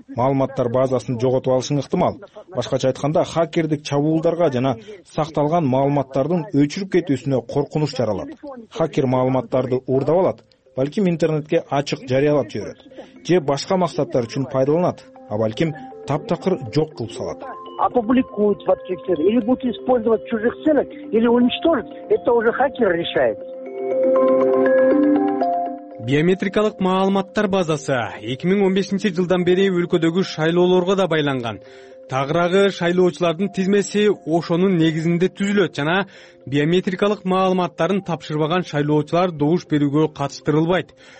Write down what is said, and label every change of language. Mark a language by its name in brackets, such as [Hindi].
[Kyrgyz] Маалыматтар базасын жоготуп алышың ыктымал. Башкача айтканда, хакердик чабуулдарга жана сакталган маалыматтардын өчүрүп кетүүсүнө коркунуч жаралат. Хакер маалыматтарды уурдап алат, балким интернетке ачык жарыялап жиберет же башка максаттар үчүн пайдаланат, а балким таптакыр жок кылып салат. [Russian] Опубликуют в аптекстер или будут использовать в чужих целях или уничтожить, это уже хакер решает. [Kyrgyz] Биометрикалык маалыматтар базасы 2015-жылдан бери өлкөдөгү шайлоолорго да байланган. Тагырагы шайлоочулардын тизмеси ошонун негизинде түзүлөт жана биометрикалык маалыматтарын тапшырбаган шайлоочулар добуш берүүгө катыштырылбайт.